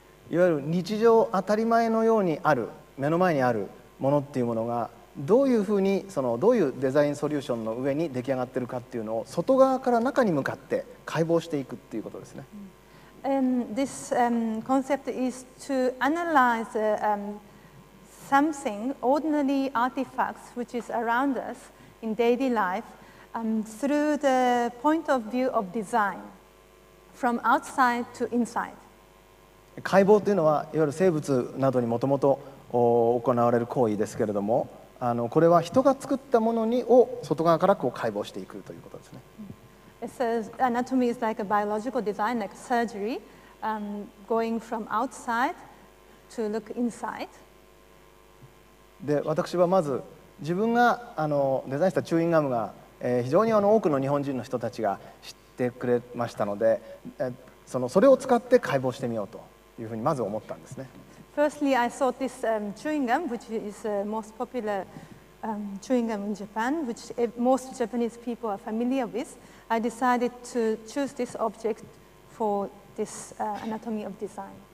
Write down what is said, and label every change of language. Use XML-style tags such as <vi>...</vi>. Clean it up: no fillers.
<ja>いわゆる日常当たり前のようにある目の前にあるものっていうものがどういうふうにそのどういうデザインソリューションの上に出来上がってるかっていうのを外側から中に向かって解剖していくっていうことですね。</ja> <en>This concept is to analyze the, something, ordinary artifacts which is around us in daily life, through the point of view of design, from outside to inside.</en> <ja>解剖というのはいわゆる生物などにもともと行われる行為ですけれども、これは人が作ったものにを外側からこう解剖していくということですね。</ja> <en>So anatomy is like a biological design, like surgery, going from outside to look inside.</en> <ja>で私はまず自分がデザインしたチューインガムが、非常に多くの日本人の人たちが知ってくれましたので、それを使って解剖してみようというふうにまず思ったんですね。</ja> <en>Firstly, I thought this chewing gum, which is the most popular chewing gum in Japan, which most Japanese people are familiar with, I decided to choose this object for this anatomy of design.</en>